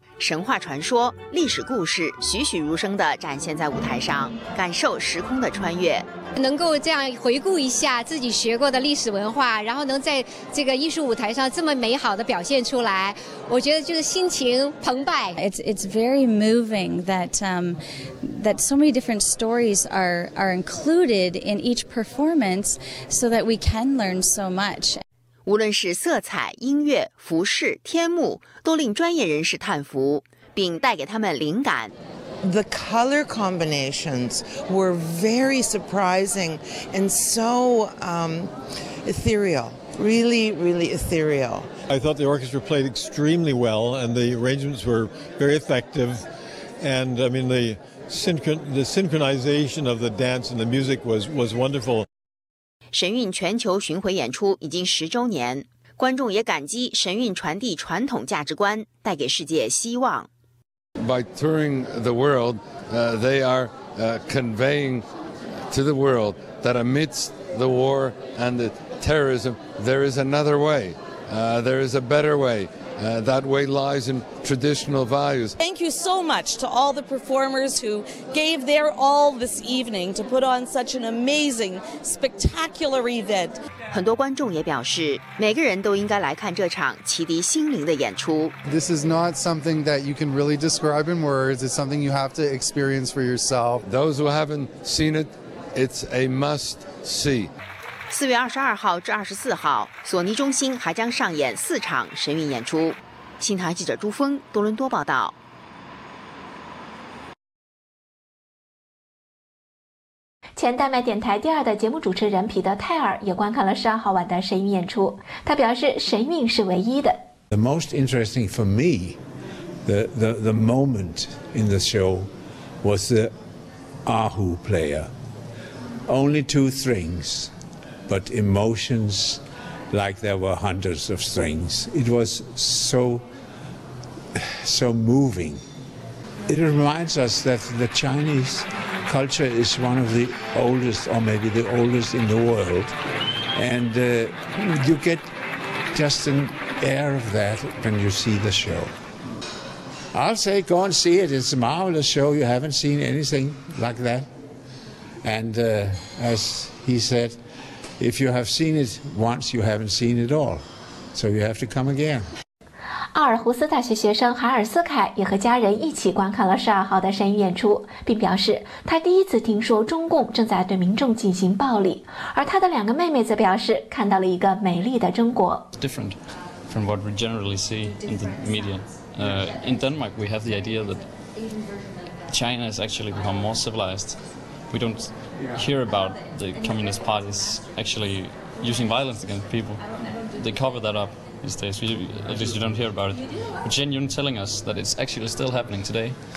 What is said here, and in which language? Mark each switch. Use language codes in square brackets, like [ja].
[zh] 神话传说、历史故事栩栩如生地展现在舞台上，感受时空的穿越。能够这样回顾一下自己学过的历史文化，然后能在这个艺术舞台上这么美好的表现出来，我觉得就是心情澎湃。 [en] It's very moving that so many different stories are included in each performance so that we can learn so much. [zh] 无论是色彩、音乐、服饰、天幕，都令专业人士叹服，并带给他们灵感。 [en] The color combinations were very surprising and so ethereal, really, really ethereal. I thought the orchestra played extremely well, and the arrangements were very effective. And I mean, the synchronization of the dance and the music was wonderful. [zh] 神韵全球巡回演出已经十周年，观众也感激神韵传递传统价值观，带给世界希望。 [en] By touring the world, they are conveying to the world that amidst the war and the terrorism, there is another way, there is a better way. That way lies in traditional values. Thank you so much to all the performers who gave their all this evening to put on such an amazing, spectacular event. [zh] 很多观众也表示，每个人都应该来看这场启迪心灵的演出。 [en] This is not something that you can really describe in words. It's something you have to experience for yourself. Those who haven't seen it, it's a must see. [zh] 4月22号至24号，索尼中心还将上演4场神韵演出。新唐记者朱峰多伦多报道。前丹麦电台第二的节目主持人彼得泰尔也观看了12号晚的神韵演出，他表示神韵是唯一的。 [en] The most interesting for me, the moment in the show was the ahu player. Only 2 strings. But emotions like there were hundreds of strings. It was so moving. It reminds us that the Chinese culture is one of the oldest, or maybe the oldest in the world. And you get just an air of that when you see the show. I'll say, go and see it. It's a marvelous show. You haven't seen anything like that. And as he said,If you have seen it once, you haven't seen it all. So you have to come again. [zh] 奥尔胡斯大学学生海尔斯凯也和家人一起观看了12号的神韵演出，并表示他第一次听说中共正在对民众进行暴力，而他的两个妹妹则表示看到了一个美丽的中国。 [en] Different from what we generally see in the media. In Denmark, we have the idea that China has actually become more civilized. We don't. Hear about the communist parties actually using violence against people. They cover that up these days. At least you don't hear about it. But Jin Yun telling us that it's actually still happening today.